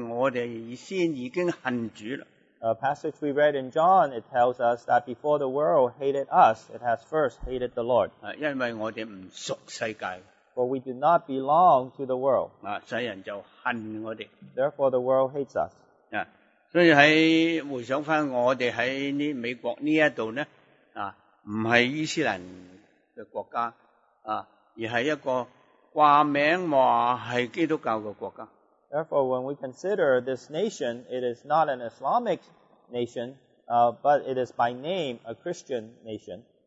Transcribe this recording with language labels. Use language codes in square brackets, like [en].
[zh] 剛才讀過聖經,恨我們先已經恨主了。 [en] A passage we read in John, it tells us that before the world hated us, it has first hated the Lord. [zh] 因為我們不屬世界, [en] For we do not belong to the world. [zh] 所以人就恨我們, [en] Therefore the world hates us. [zh] 所以回想我們在美國這裏呢, 不是伊斯蘭的國家, 而是一個掛名說是基督教的國家。 [en] Therefore when we consider this nation, it is not an Islamic nation, but it is by name a Christian nation.